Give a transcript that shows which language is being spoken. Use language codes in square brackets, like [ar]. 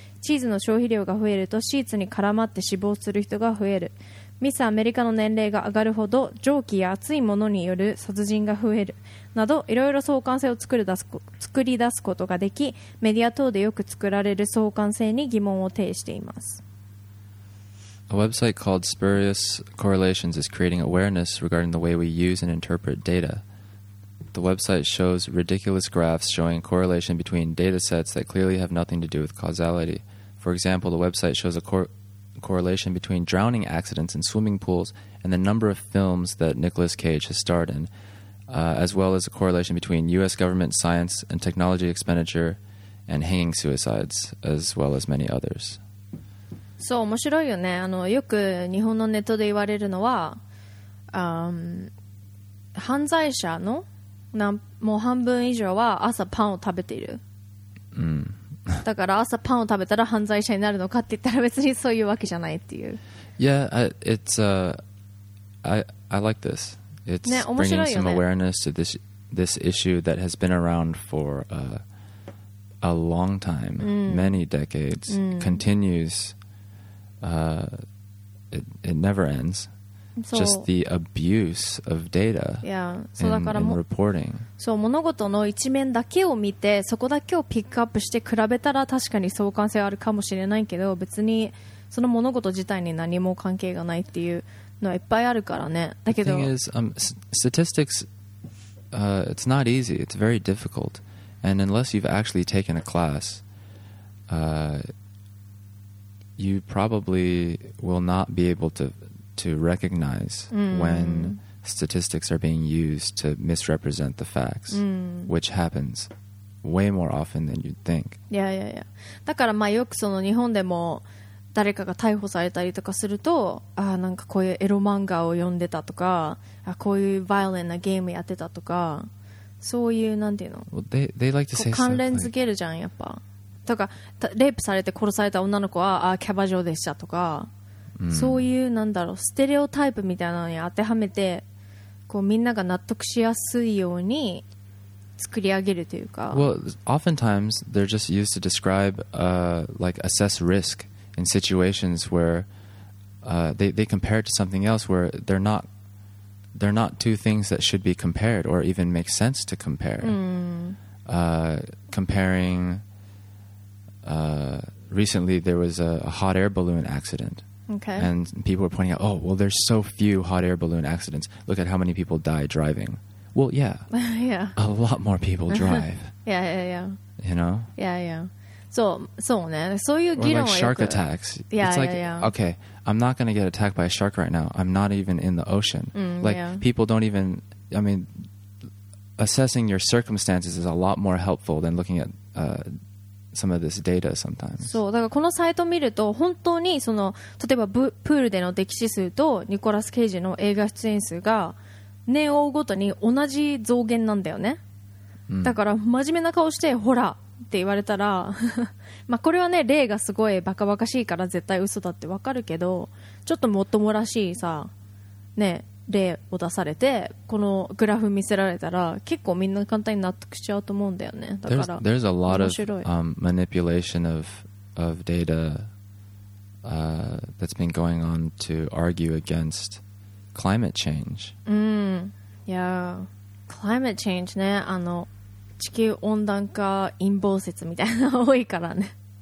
[ja] チーズの消費量が増えるとシーツに絡まって死亡する人が増える。ミスアメリカの年齢が上がるほど蒸気や熱いものによる殺人が増えるなど、いろいろ相関性を作り出すことができ、メディア等でよく作られる相関性に疑問を呈しています。 [en] A website called Spurious Correlations is creating awareness regarding the way we use and interpret data. The website shows ridiculous graphs showing correlation between data sets that clearly have nothing to do with causality. For example, the website shows a correlation between drowning accidents in swimming pools and the number of films that Nicolas Cage has starred in, as well as a correlation between U.S. government science and technology expenditure and hanging suicides, as well as many others. [ja] そう、面白いよね。あの、よく日本のネットで言われるのは、犯罪者のもう半分以上は朝パンを食べている。だから朝パンを食べたら犯罪者になるのかって言ったら別にそういうわけじゃないっていう。 [en] Yeah, it's I like this. It's、 [ja] ね、 [en] bringing some awareness to this issue that has been around for a long time,、 [ja] うん、 [en] many decades,、 [ja] うん、 [en] continues. It never ends. just the abuse of data and reporting. [ja] そう、物事の一面だけを見て、そこだけをピックアップして比べたら確かに相関性あるかもしれないけど、別にその物事自体に何も関係がないっていうのはいっぱいあるからね。だけど、 [en] The thing is, statistics, it's not easy. It's very difficult. And unless you've actually taken a class, you probably will not be able to recognize when statistics are being used to misrepresent the facts, which happens way more often than you'd think. Yeah, yeah, yeah. [ja] だからまあよくその日本でも誰かが逮捕されたりとかすると、ああなんかこういうエロ漫画を読んでたとか、あこういうバイオレンなゲームやってたとか、そういうなんていうの、 [en] well, they like to say [ja] 関連づけるじゃんやっぱ。とかレイプされて殺された女の子はあキャバ嬢でしたとか、そういうなんだろうステレオタイプみたいなのに当てはめて、こうみんなが納得しやすいように作り上げるというか。 [en] Well, oftentimes they're just used to describe, like assess risk in situations where, they compare it to something else where they're not two things that should be compared or even make sense to compare. Comparing. Recently, there was a hot air balloon accident. Okay. And people were pointing out, oh, well, there's so few hot air balloon accidents. Look at how many people die driving. Well, yeah. yeah. A lot more people drive. yeah, yeah, yeah. You know? Yeah, yeah. So, so, ne. So, you get like shark attacks. Yeah, it's like, yeah, yeah. Okay, I'm not going to get attacked by a shark right now. I'm not even in the ocean. People don't even, I mean, assessing your circumstances is a lot more helpful than looking at, some of this data sometimes. [ja] そう、だからこのサイトを見ると本当にその例えばプールでの溺死数とニコラス・ケイジの映画出演数が年を追うごとに同じ増減なんだよね。だから真面目な顔してほらって言われたらまあこれはね例がすごいバカバカしいから絶対嘘だってわかるけど、ちょっともっともらしいさね例を出されてこのグラフ見せられたら結構みんな簡単に納得しちゃうと思うんだよね。だから [en] there's a lot of manipulation of data that's been going on to argue against climate change. [ja] Yeah, climate change ね、あの地球温暖化陰謀説みたいな多いからね。